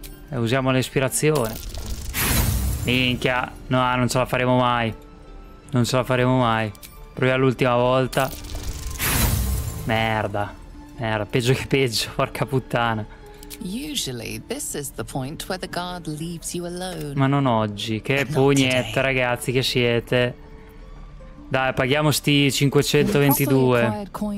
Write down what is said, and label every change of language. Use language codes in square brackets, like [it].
[it] E usiamo l'ispirazione. Minchia. No, non ce la faremo mai. Non ce la faremo mai. Proviamo l'ultima volta. Merda. Merda, peggio che peggio, porca puttana. [en] Usually this is the point where the guard leaves you alone. [it] Ma non oggi, che pugnetta, ragazzi, che siete. Dai, paghiamo sti 522.